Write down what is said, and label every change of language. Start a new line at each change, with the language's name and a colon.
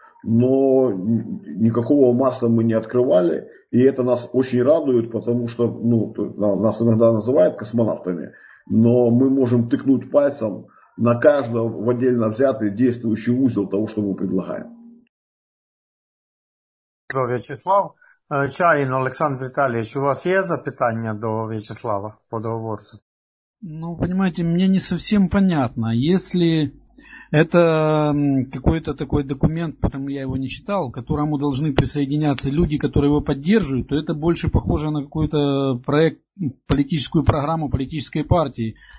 Russian: Но никакого Марса мы не открывали. И это нас очень радует, потому что нас иногда называют космонавтами. Но мы можем тыкнуть пальцем на каждого в отдельно взятый действующий узел того, что мы предлагаем.
Ukrainian: В'ячеслав Чаїн, Олександр Віталійович, у вас є запитання до В'ячеслава по договору?
Russian: Понимаете, мне не совсем понятно. Если это какой-то такой документ, потому я его не читал, к которому должны присоединяться люди, которые его поддерживают, то это больше похоже на какой-то проект, политическую программу политической партии.